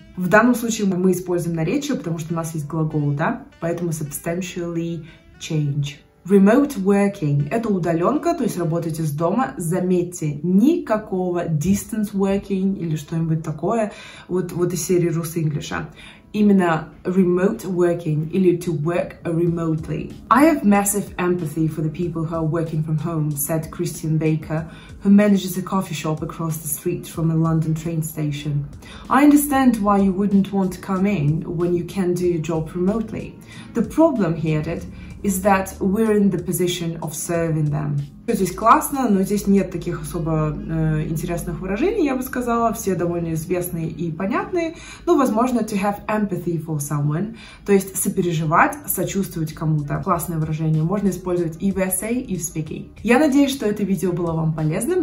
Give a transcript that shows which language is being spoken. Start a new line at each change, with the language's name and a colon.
Russian: В данном случае мы используем наречие, потому что у нас есть глагол, да? Поэтому
English: substantially change. Remote working.
Russian: Это удаленка, то есть работать из дома. Заметьте, никакого distance working или что-нибудь такое. Вот из серии Рус-Инглиша. Именно
English: remote working
Russian: или
English: to work remotely. I have massive empathy for the people who are working from home, said Christian Baker, who manages a coffee shop across the street from a London train station. I understand why you wouldn't want to come in when you can do your job remotely. The problem, he added, is that we're in the position of serving them.
Russian: Здесь классно, но здесь нет таких особо интересных выражений, я бы сказала. Все довольно известные и понятные. Ну, возможно,
English: to have empathy for someone,
Russian: то есть сопереживать, сочувствовать кому-то. Классное выражение. Можно использовать и в essay, и в speaking. Я надеюсь, что это видео было вам полезным.